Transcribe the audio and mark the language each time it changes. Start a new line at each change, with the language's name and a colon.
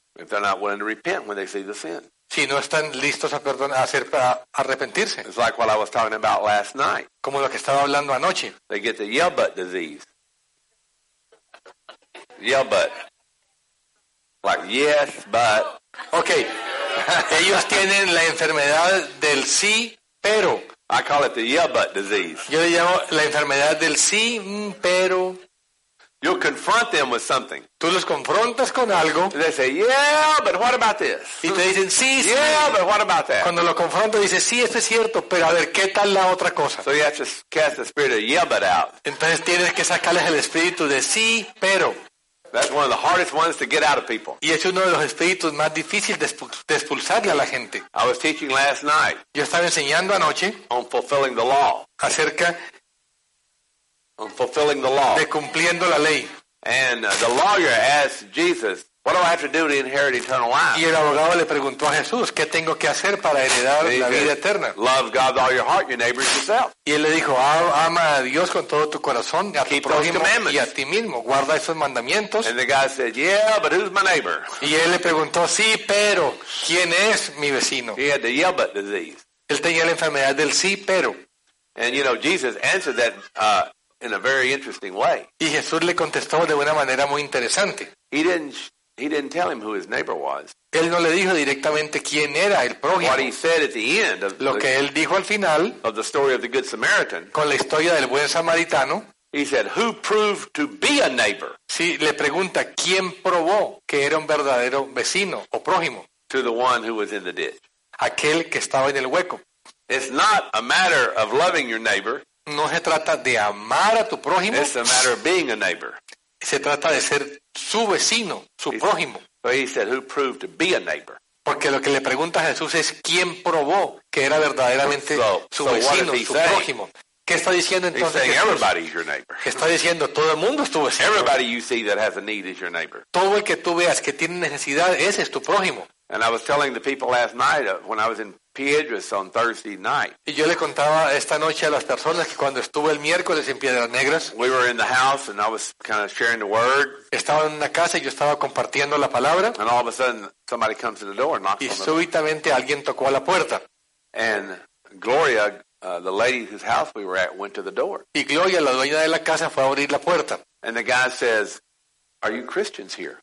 English: If they're not willing to repent when they see the sin.
Spanish: Si no están listos a perdonar, a arrepentirse.
English: It's like what I was talking about last night.
Spanish: Como lo que estaba hablando anoche.
English: They get the yell butt disease. Yell butt. Like, yes, but.
Spanish: Okay. Ellos tienen la enfermedad del sí, pero.
English: I call it the yeah, but disease.
Spanish: Yo le llamo la enfermedad del sí, pero.
English: You confront them with something.
Spanish: Tú los confrontas con algo.
English: And they say, yeah, but what about this?
Spanish: Y te dicen, sí, sí.
English: Yeah, but what about that?
Spanish: Cuando lo confronto, dice, sí, esto es cierto, pero a ver, ¿qué tal la otra cosa?
English: So you have to cast the spirit of yeah, but out.
Spanish: Entonces tienes que sacarles el espíritu de sí, pero.
English: That's one of the hardest ones to get out of people.
Spanish: Y es uno de los espíritus más difíciles de expulsarle a la gente.
English: I was teaching last night.
Spanish: Yo estaba enseñando anoche.
English: On fulfilling the law.
Spanish: Acerca.
English: On fulfilling the law.
Spanish: De cumpliendo la ley.
English: And the lawyer asked Jesus, "What do I have to do to inherit eternal life?"
Spanish: Y el abogado le preguntó a Jesús, "¿Qué tengo que hacer para heredar la vida eterna?"
English: Love God with all your heart, your neighbor as yourself.
Spanish: Y él le dijo, "Ama a Dios con todo tu corazón, a tu prójimo y a ti mismo. Guarda esos mandamientos."
English: And the guy said, "Yeah, but who's my neighbor?"
Spanish: Y él le preguntó, "Sí, pero ¿quién es mi vecino?"
English: He had the yeah, but disease.
Spanish: Él tenía la enfermedad del sí, pero.
English: And you know, Jesus answered that in a very interesting way.
Spanish: Y Jesús le contestó de una manera muy interesante.
English: He didn't tell him who his neighbor was.
Spanish: Él no le dijo directamente quién era el prójimo.
English: What he said at the end of
Spanish: lo que él dijo al final
English: of the story of the good Samaritan,
Spanish: con la historia del buen samaritano,
English: he said, "Who proved to be a neighbor?"
Spanish: Sí, le pregunta quién probó que era un verdadero vecino o prójimo.
English: To the one who was in the ditch.
Spanish: Aquel que estaba en el hueco.
English: It's not a matter of loving your neighbor.
Spanish: No se trata de amar a tu prójimo.
English: It's a matter of being a neighbor.
Spanish: Se trata de ser su vecino, su prójimo.
English: So he said, "Who proved to be a neighbor?"
Spanish: Porque lo que le pregunta a Jesús es quién probó que era verdaderamente su vecino, su prójimo. ¿Qué está diciendo entonces?
English: He's saying everybody's your neighbor.
Spanish: Está diciendo todo el mundo es tu vecino.
English: Everybody you see that has a need is your neighbor.
Spanish: Todo el que tú veas que tiene necesidad, ese es tu prójimo.
English: And I was telling the people last night when I was in Piedras on Thursday night.
Spanish: Y yo le contaba esta noche a las personas que cuando estuve el miércoles en Piedras Negras.
English: We were in the house and I was kind of sharing the word.
Spanish: Estaba en una casa y yo estaba compartiendo la palabra.
English: And all of a sudden somebody comes to the door and knocks on the door.
Spanish: Y súbitamente alguien tocó a la puerta.
English: And Gloria, the lady whose house we were at, went to the door.
Spanish: Y Gloria, la dueña de la casa, fue a abrir la puerta.
English: And the guy says, "Are you Christians here?"